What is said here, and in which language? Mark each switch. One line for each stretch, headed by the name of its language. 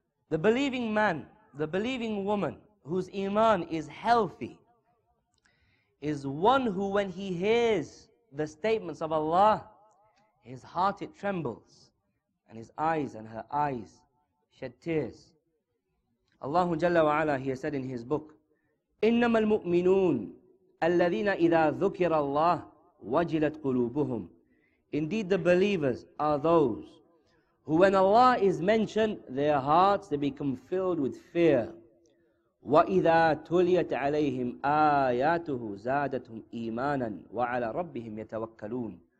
English: The believing man, the believing woman, whose iman is healthy, is one who when he hears the statements of Allah, his heart it trembles, and his eyes and her eyes shed tears. Allah Jalla wa'ala, he has said in his book,
Arabic: إنما المؤمنون الذين إذا ذكر الله وجلت قلوبهم.
English: Indeed, the believers are those who, when Allah is mentioned, their hearts, they become filled with fear.
Arabic: وَإِذَا تُلِيَتْ عَلَيْهِمْ آيَاتُهُ زَادَتْهُمْ إِيمَانًا وَعَلَىٰ رَبِّهِمْ يَتَوَكَّلُونَ.